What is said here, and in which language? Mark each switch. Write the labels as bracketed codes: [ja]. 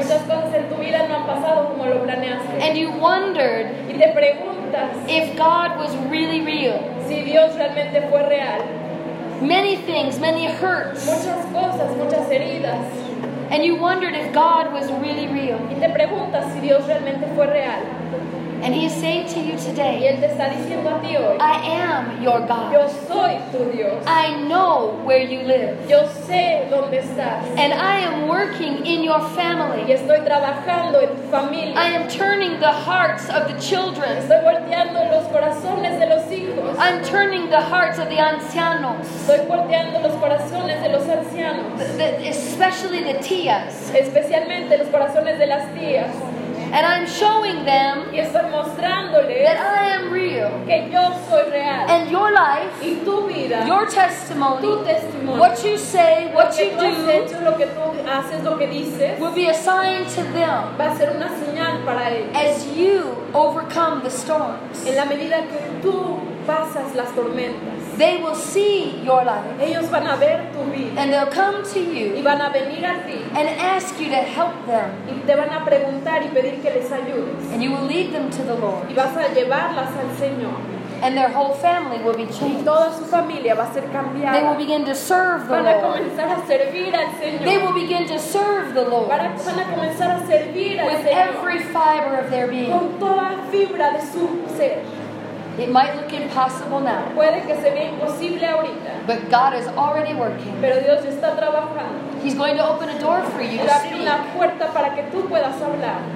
[en] And you wondered if God was really real. [es] Si Dios realmente fue real. [en] Many things, many hurts. [es] Muchas cosas, muchas heridas. [en] And you wondered if God was really real. [es] Y te preguntas si Dios realmente fue real. [en] And he is saying to you today, [es] y él te está diciendo a ti hoy, [en] I am your God. [es] Yo soy tu Dios. [en] I know where you live. [es] Yo sé dónde estás. [en] And I am working in your family. [es] Y estoy trabajando en tu familia. [en] I am turning the hearts of the children. [es] Estoy volteando los corazones de los hijos. [en] I'm turning the hearts of the ancianos. [es] Estoy volteando los corazones de los ancianos. [en] Especially the tías. [es] Especialmente los corazones de las tías. [en] And I'm showing them [es] y estoy mostrándoles [en] that I am real. [es] Que yo soy real. [en] And your life, [es] y tu vida, [en] your testimony, [es] tu testimonio, [en] what you say, what you do, will be a sign to them [es] va a ser una señal para ellos. [en] As you overcome the storms. [es] En la medida que tú pasas las tormentas. [en] They will see your life. [es] Ellos van a ver tu vida. [en] And they'll come to you. [es] Y van a venir a ti. [en] And ask you to help them. [es] Y te van a preguntar y pedir que les ayudes. [en] And you will lead them to the Lord. [es] Y vas a llevarlas al Señor. [en] And their whole family will be changed. [es] Toda su familia va a ser cambiada. [en] They will begin to serve the [es] Lord. Van a comenzar a servir al Señor. [en] They will begin to serve the Lord. [es] Van a comenzar a servir al [en] with [es] Señor. [en] Every fiber of their being. [es] Con toda fibra de su ser. [en] It might look impossible now. [es] Puede que se vea imposible ahorita. [en] But God is already working. [es] Pero Dios está trabajando. [en] He's going to open a door for you to speak. [es] Una puerta para que tú puedas hablar.